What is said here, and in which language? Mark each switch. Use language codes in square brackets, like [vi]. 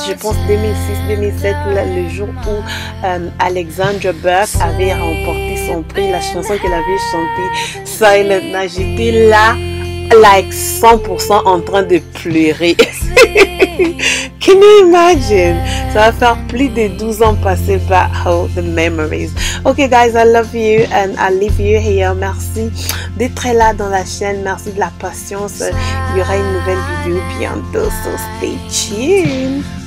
[fr] Je pense 2006-2007, le jour où Alexandra Burke avait remporté son prix, la chanson qu'elle avait chantée, Silent Night. J'étais là, [en] like 100% [fr] en train de pleurer. [en] Can you imagine? [fr] Ça va faire plus de 12 ans passer par [en] all the memories. Ok guys, I love you and I leave you here. [fr] Merci d'être là dans la chaîne. Merci de la patience. Il y aura une nouvelle vidéo bientôt. [en] So stay tuned.